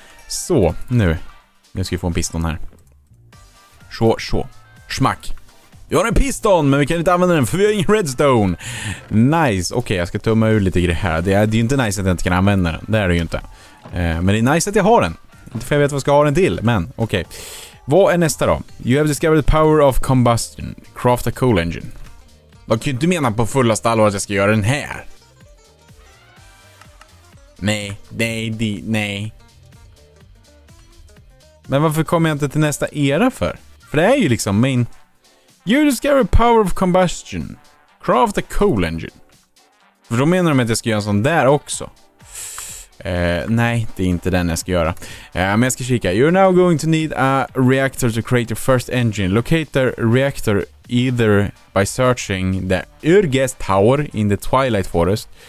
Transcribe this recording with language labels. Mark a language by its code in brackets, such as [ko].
[sv] Så, nu ska vi få en piston här. Så smack. Vi har en piston, men vi kan inte använda den för vi har ingen redstone. [en] Nice. [sv] Okej, jag ska tumma ur lite grejer här. Det är ju inte nice att jag inte kan använda den. Det är det ju inte. Men det är nice att jag har den. Inte för jag vet vad jag ska ha den till, men okej. Vad är nästa då? [en] You have discovered the power of combustion. Craft a coal engine. [sv] Vad kan du inte mena på fullaste allvar att jag ska göra den här? Nej. Men varför kommer jag inte till nästa era för? För det är ju liksom min... [en] You discover power of combustion. Craft a coal engine. [sv] För då menar de att jag ska göra en sån där också. Nej, det är inte den jag ska göra. Men jag ska kika. [en] You're now going to need a reactor to create your first engine. Locate the reactor either by searching the Urges Tower in the Twilight Forest.